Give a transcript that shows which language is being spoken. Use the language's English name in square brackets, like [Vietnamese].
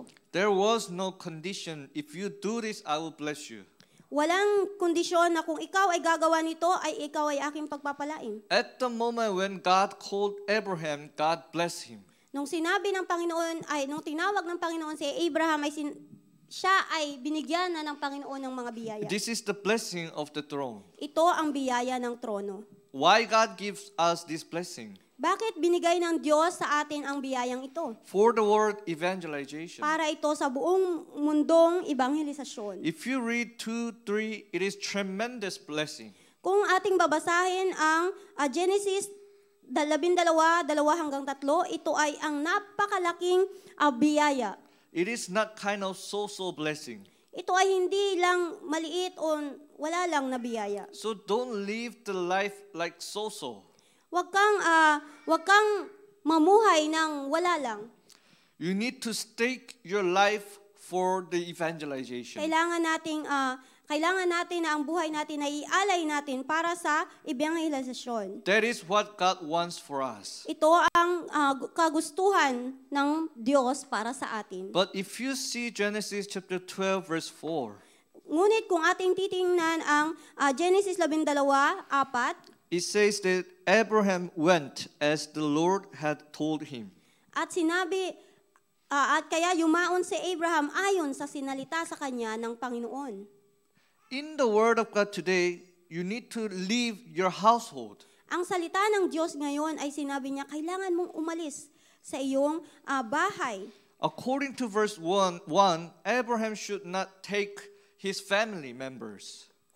[English] There was no condition, "If you do this, I will bless you." [Filipino] Walang kondisyon na kung ikaw ay gagawa nito ay ikaw ay aking pagpapalain. [English] At the moment when God called Abraham, God blessed him. [Filipino] Nung sinabi ng Panginoon ay nung tinawag ng Panginoon si Abraham ay siya ay binigyan na ng Panginoon ng mga biyaya. [English] This is the blessing of the throne. [Filipino] Ito ang biyaya ng trono. [English] Why God gives us this blessing? [Filipino] Bakit binigay ng Diyos sa atin ang biyayang ito? [English] For the world evangelization. [Filipino] Para ito sa buong mundong ebanghelisasyon. [English] If you read 2-3, it is tremendous blessing. [Filipino] Kung ating babasahin ang Genesis 12:2-3, ito ay ang napakalaking biyaya. [English] It is not kind of so-so blessing. [Filipino] Ito ay hindi lang maliit o wala lang na biyaya. [English] So don't live the life like so-so. [Filipino] Wag kang mamuhay ng wala lang. [English] You need to stake your life for the evangelization. [Filipino] Kailangan natin na ang buhay natin ay ialay natin para sa ebanghelisasyon. [English] That is what God wants for us. [Filipino] Ito ang kagustuhan ng Diyos para sa atin. [English] But if you see Genesis chapter 12 verse 4. [Filipino] Ngunit kung ating titingnan ang Genesis 12:4, [English] it says that Abraham went as the Lord had told him. [Filipino] At sinabi at kaya yumaon si Abraham ayon sa sinalita sa kanya ng Panginoon. [English] In the word of God today, you need to leave your household. [Filipino] Ang salita ng Diyos ngayon ay sinabi niya, kailangan mong umalis sa iyong bahay. [English] According to verse 1, Abraham should not take his family members.